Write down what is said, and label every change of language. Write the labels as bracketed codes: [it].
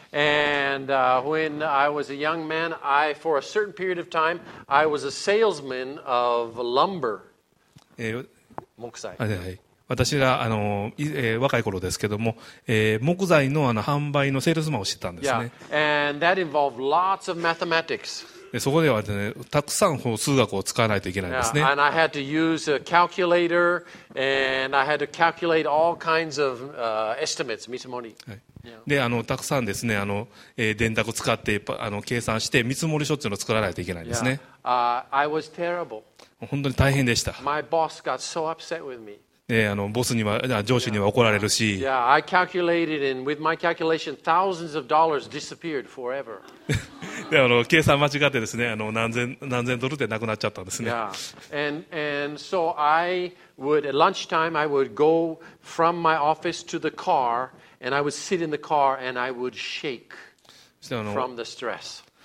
[en] And when I was a young man, I for a certain period of time, I was a salesman of lumber. [ja] 木材。はいはい。私が若い頃ですけども、木材の販売のセールスマンをしてたんですね。 [en] Yeah. And that involved lots of mathematics. [ja] そこでは、ね、たくさん数学を使わないといけないんですね。 [en] Yeah. And I had to use a calculator, and I had to calculate all kinds of estimates, [ja] 見積もり。はい。でたくさんですね電卓使って計算して見積もり書っていうのを作らないといけないんですね。 [en] I was terrible. [ja] 本当に大変でした。 [en] My boss got so upset with me. [ja] ボスには上司には怒られるし、 [en] Yeah, I calculated and with my calculation thousands of dollars disappeared forever. [ja] 計算間違ってですね何千ドルでなくなっちゃったんですね。 [en] Yeah, and so I would at lunchtime I would go from my office to the carAnd I would sit in the car and I would shake from the stress.